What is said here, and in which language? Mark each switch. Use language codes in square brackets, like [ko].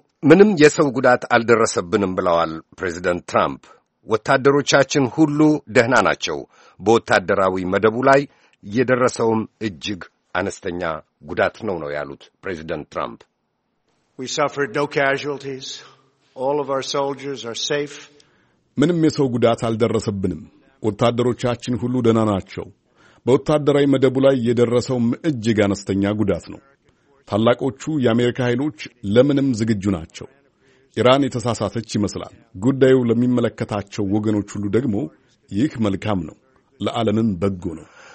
[am] ምንም የሰው ጉዳት አልደረሰብንም ብለዋል ፕሬዚደንት ትራምፕ። ወታደሮቻችን ሁሉ ደህና ናቸው። በወታደራዊ መደቡ ላይ የደረሰውም እጅግ አነስተኛ ጉዳት ነው ያሉት ፕሬዚደንት ትራምፕ። [en] We suffered no casualties. All of our soldiers are safe. [am] ምንም የሰው ጉዳት አልደረሰብንም። ወታደሮቻችን ሁሉ ደህና ናቸው። በወታደራዊ መደቡ ላይ የደረሰውም እጅግ አነስተኛ ጉዳት ነው። ታላቆቹ የአሜሪካ ኃይሎች ለምንም ዝግጁ ናቸው። ኢራን የተሳሳተች ይመስላል። ጉዳዩ ለሚመለከታቸው ወገኖች ሁሉ ደግሞ ይህ መልካም ነው፣ ለዓለምም በጎ ነው።